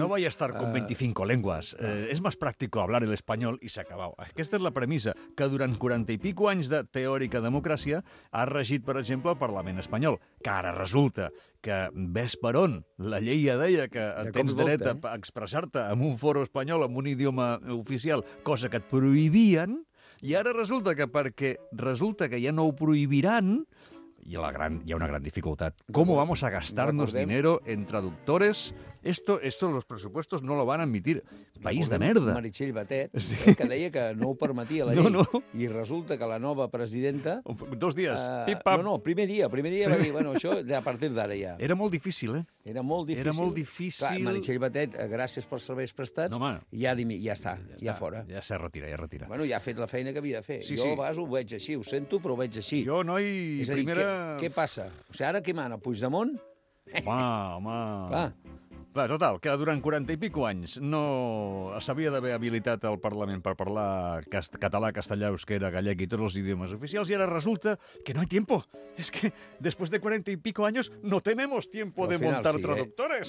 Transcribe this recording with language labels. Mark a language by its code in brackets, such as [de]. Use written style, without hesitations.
[es] No vaya a estar con 25 lenguas. Es más práctico hablar el español y se acabó. [ca] Aquesta és la premissa que durant 40 i pico anys de teòrica democràcia ha regit, per exemple, el Parlament espanyol, que ara resulta que, ves per on, la llei ja deia que tens dret a expressar-te en un foro espanyol, en un idioma oficial, cosa que et prohibien, i ara resulta que perquè resulta que ja no ho prohibiran, hi ha una gran dificultat. [es] ¿Cómo vamos a gastarnos dinero en traductores? Esto los presupuestos no lo van a admitir. [ca] País de merda. Meritxell Batet, sí, que deia que no ho permetia la llei. No, no. I resulta que la nova presidenta... Dos dies. Primer dia va dir, bueno, això a partir d'ara ja. Era molt difícil, eh? Era molt difícil. Clar, Meritxell Batet, gràcies pels serveis prestats, no, home, ja està, fora. Ja s'ha retirat, ja retira. Bueno, ja ha fet la feina que havia de fer. Sí, jo, sí, a vegades ho veig així, ho sento, però ho veig així. Jo, noi, és a primera... dir, què passa? O sigui, ara què mana, Puigdemont? Home. Va. Total, que durant 40 i pico anys no s'havia d'haver habilitat el Parlament per parlar català, castellà, euskera, gallec i tots els idiomes oficials, i ara resulta que [es] no hay tiempo. Es que después de 40 y pico años no tenemos tiempo de montar traductores.